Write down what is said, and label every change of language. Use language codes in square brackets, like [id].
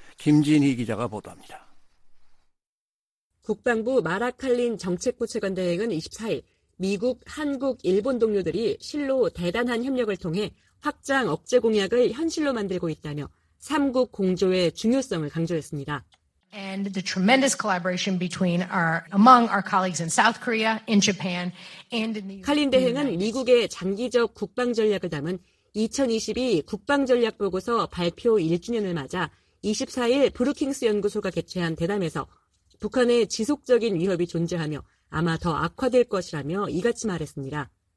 [ko] 김진희 기자가 보도합니다. 국방부 마라칼린 정책부 차관 대행은 24일 미국, 한국, 일본 동료들이 실로 대단한 협력을 통해 확장 억제 공약을 현실로 만들고 있다며 3국 공조의 중요성을 강조했습니다. [en] And the tremendous collaboration between our among our colleagues in South Korea, in Japan, and in the [ko] 칼린 대행은 미국의 장기적 국방 전략을 담은 2022 국방 전략 보고서 발표 1주년을 맞아 24일 브루킹스 연구소가 개최한 대담에서 북한의 지속적인 위협이 존재하며 아마 더 악화될 것이라며 이같이 말했습니다.